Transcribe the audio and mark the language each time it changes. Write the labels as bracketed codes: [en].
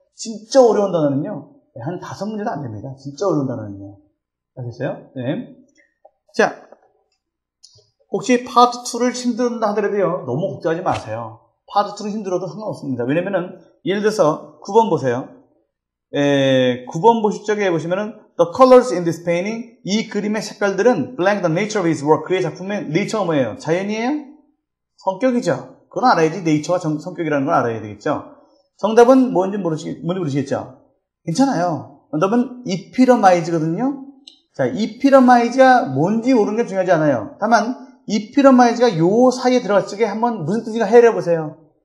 [ko] 진짜 어려운 단어는요. 네, 한 5문제도 안 됩니다. 진짜 어려운 단어는요. 알겠어요? 예. 네. 자. 혹시 파트 2를 힘든다 하더라도요, 너무 걱정하지 마세요. 파트 2를 힘들어도 상관없습니다. 왜냐면은, 예를 들어서 9번 보세요. 9번 보실 적에 보시면은 [en] The colors in this painting, [ko] 이 그림의 색깔들은 [en] blank the nature of his work, [ko] 그의 작품의 [en] nature [ko] 뭐예요? 자연이에요? 성격이죠. 그건 알아야지. nature와 성격이라는 걸 알아야 되겠죠. 정답은 뭔지 모르시겠죠? 괜찮아요. 정답은 epitomize거든요. 자, epitomize가 뭔지 모르는 게 중요하지 않아요. 다만 epitomize가 요 사이에 들어갔을 때 한번 무슨 뜻인가 헤아려 보세요.